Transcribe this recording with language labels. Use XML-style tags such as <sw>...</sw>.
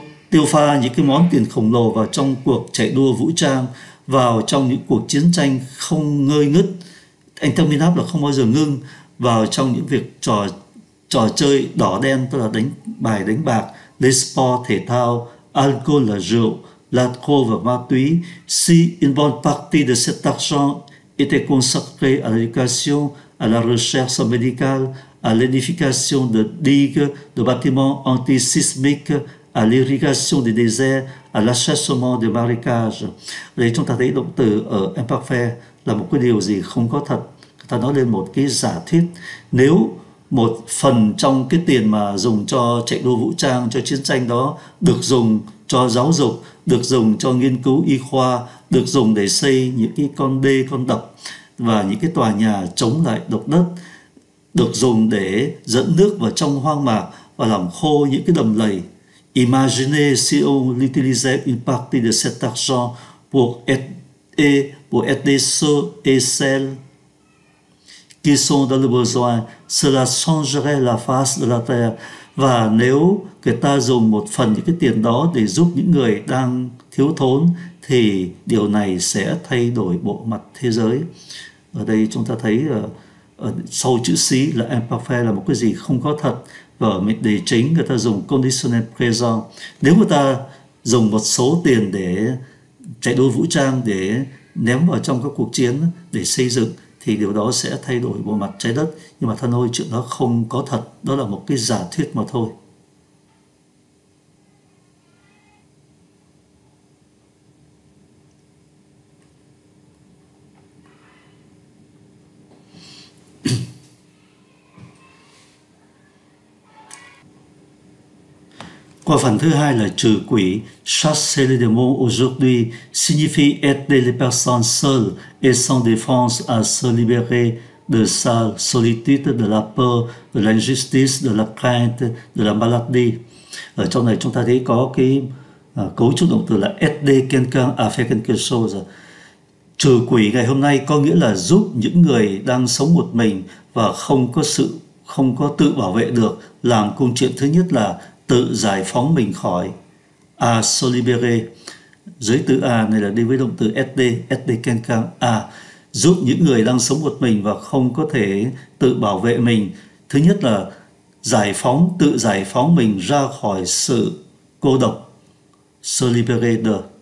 <vi>tiêu pha những cái món tiền khổng lồ vào trong cuộc chạy đua vũ trang, vào trong những cuộc chiến tranh không ngơi ngứt, anh Tâm Minh áp là không bao giờ ngưng, vào trong những việc trò chơi đỏ đen, tức là đánh bài đánh bạc, les sports thể thao, alcohol là rượu, là khô và ma túy.</vi> <fr>Si une bonne partie de cet argent était consacré à l'éducation, à la recherche médicale, à l'édification de digues, de bâtiments antisismiques, à l'irrigation des déserts, à l'achèvement des marécages.</fr> <vi>Vậy chúng ta thấy động từ ở imparfait là một cái điều gì không có thật. Ta nói lên một cái giả thuyết. Nếu một phần trong cái tiền mà dùng cho chạy đua vũ trang, cho chiến tranh đó được dùng cho giáo dục, được dùng cho nghiên cứu y khoa, được dùng để xây những cái con đê, con đập và những cái tòa nhà chống lại động đất, được dùng để dẫn nước vào trong hoang mạc và làm khô những cái đầm lầy.</vi> <fr>Imaginez si on utilisait une partie de cet argent pour aider ceux et celles qui sont dans le besoin, cela changerait la face de la terre.</fr> <vi>Và nếu người ta dùng một phần những cái tiền đó để giúp những người đang thiếu thốn thì điều này sẽ thay đổi bộ mặt thế giới. Ở đây chúng ta thấy sau chữ si là imparfait, là một cái gì không có thật, và ở mệnh đề chính người ta dùng conditionnel present. Nếu người ta dùng một số tiền để chạy đua vũ trang, để ném vào trong các cuộc chiến để xây dựng, thì điều đó sẽ thay đổi bộ mặt trái đất. Nhưng mà thân ơi, chuyện đó không có thật. Đó là một cái giả thuyết mà thôi. Qua phần thứ hai là trừ quỷ.</vi> <fr>Chasser les démons aujourd'hui signifie aider les personnes seules et sans défense à se libérer de sa solitude, de la peur, de l'injustice, de la crainte, de la maladie.</fr> <vi>Ở trong này chúng ta thấy có cái cấu trúc động từ là</vi> <fr>aider quelqu'un à faire quelque chose.</fr> <vi>Trừ quỷ ngày hôm nay có nghĩa là giúp những người đang sống một mình và không có tự bảo vệ được. Làm công chuyện thứ nhất là tự giải phóng mình khỏi, a se libérer, dưới từ a này là đi với động từ aider quelqu'un, a giúp những người đang sống một mình và không có thể tự bảo vệ mình, thứ nhất là giải phóng, tự giải phóng mình ra khỏi sự cô độc, se libérer de,</vi>